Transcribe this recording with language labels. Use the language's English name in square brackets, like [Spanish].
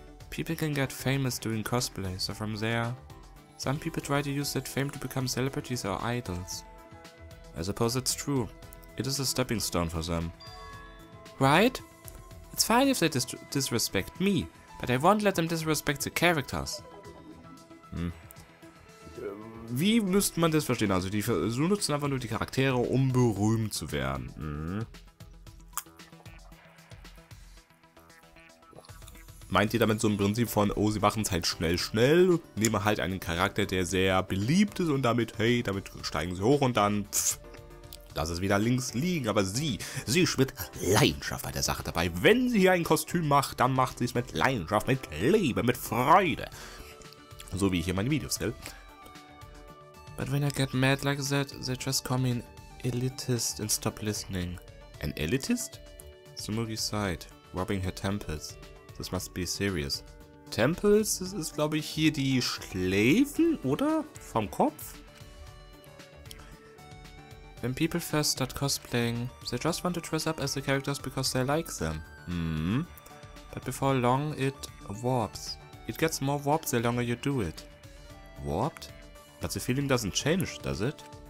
[English] People can get famous doing cosplay, so from there, some people try to use that fame to become celebrities or idols. I suppose it's true. It is a stepping stone for them. Right? It's fine if they disrespect me, but I won't let them disrespect the characters. [German] Hm. Wie müsste man das verstehen? Also die so nutzen einfach nur die Charaktere, um berühmt zu werden. Meint ihr damit so ein Prinzip von, oh, sie machen es halt schnell, nehmen halt einen Charakter, der sehr beliebt ist und damit, hey, damit steigen sie hoch und dann, pff, lass es wieder links liegen. Aber sie ist mit Leidenschaft bei der Sache dabei. Wenn sie hier ein Kostüm macht, dann macht sie es mit Leidenschaft, mit Liebe, mit Freude. So wie ich hier meine Videos, gell? [English] But when I get mad like that, they just call me an elitist and stop listening. An elitist? Sumugi sighed, rubbing her temples. This must be serious. [German] Temples, das ist glaube ich hier die Schläfen, oder? Vom Kopf? [English] When people first start cosplaying, they just want to dress up as the characters because they like them. But before long, it warps. It gets more warped the longer you do it. Warped? But the feeling doesn't change, does it?